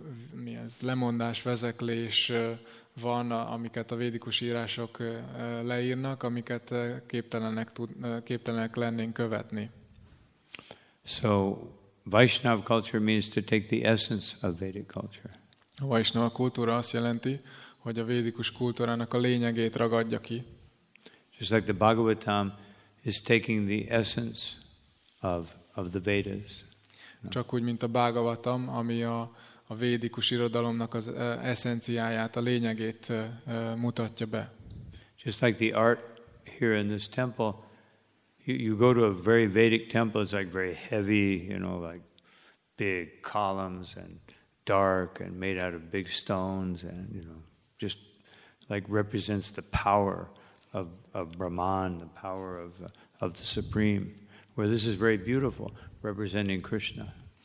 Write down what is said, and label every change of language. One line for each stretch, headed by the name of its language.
Hungarian: mi ez, lemondás, vezeklés van, amiket a védikus írások leírnak, amiket képtelenek lennénk követni.
English: So, Vaishnava culture means to take the essence of Vedic culture.
Hungarian: A Vaishnava kultúra azt jelenti, hogy a védikus kultúrának a lényegét ragadja ki.
English: Just like the Bhagavatam is taking the essence of the Vedas.
Hungarian: Csak úgy, mint a Bhagavatam, ami a védikus irodalomnak az eszenciáját, a lényegét mutatja be.
English: Just like the art here in this temple, you go to a very Vedic temple, it's like very heavy, you know, like big columns and dark and made out of big stones and, you know, just like represents the power of Brahman, the power of the Supreme, where this is very beautiful, representing Krishna.